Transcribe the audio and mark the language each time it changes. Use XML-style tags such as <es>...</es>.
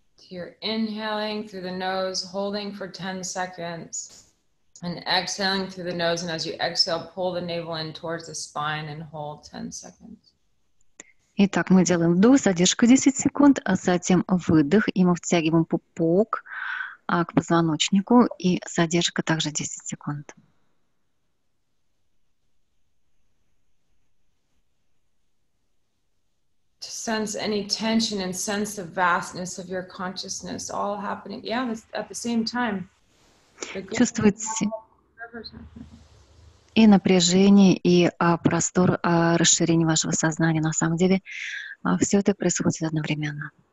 <en>You're inhaling through the nose, holding for 10 seconds, and exhaling through the nose. And as you exhale, pull the navel in towards the spine and hold 10 seconds.</en> <ru>Итак, мы делаем вдох, задержка 10 секунд, а затем выдох, и мы втягиваем пупок к позвоночнику, и задержка также 10 секунд.</ru> <en>Sense any tension and sense the vastness of your consciousness all happening. Yeah, at the same time.</en> <ru>Чувствуйте и напряжение, и простор расширения вашего сознания. На самом деле, все это происходит одновременно.</ru>